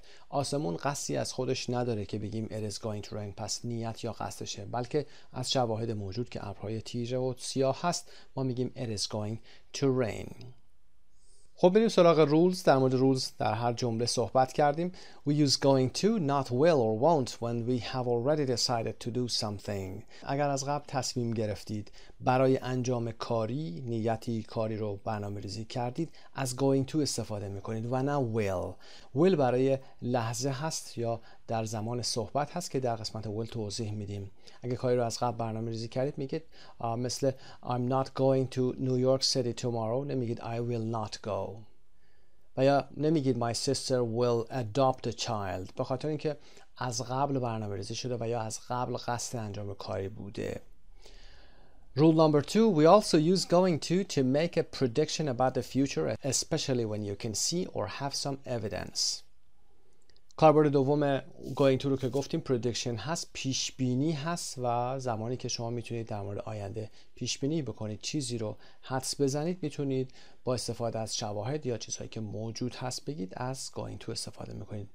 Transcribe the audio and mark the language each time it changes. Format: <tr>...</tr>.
<fa>آسمون قصدی از خودش نداره که بگیم</fa> <en>It is going to rain</en> <fa>پس نیت یا قصدشه، بلکه از شواهد موجود که ابرهای تیره و سیاه هست ما میگیم</fa> <en>It is going to rain.</en> <fa>خب بریم سراغ rules. در مورد rules در هر جمله صحبت کردیم.</fa> <en>We use going to, not will or won't when we have already decided to do something.</en> <fa>اگر از قبل تصمیم گرفتید برای انجام کاری، نیتی کاری رو برنامه ریزی کردید، از going to استفاده میکنید و نه will. will برای لحظه هست یا در زمان صحبت هست که در قسمت will توضیح میدیم. اگه کاری رو از قبل برنامه ریزی کردید میگید مثل</fa> <en>I'm not going to New York City tomorrow،</en> <fa>نمیگید</fa> <en>I will not go.</en> <fa>و یا نمیگید</fa> <en>My sister will adopt a child،</en> <fa>به خاطر اینکه از قبل برنامه ریزی شده و یا از قبل قصد انجام کاری بوده.</fa> <en>Rule number two, we also use going to make a prediction about the future, especially when you can see or have some evidence.</en> <fa>کاربرد دوم going to رو که گفتیم prediction هست، پیشبینی هست و زمانی که شما میتونید در مورد آینده پیشبینی بکنید، چیزی رو حدس بزنید، میتونید با استفاده از شواهد یا چیزهایی که موجود هست بگید، از going to استفاده میکنید.</fa>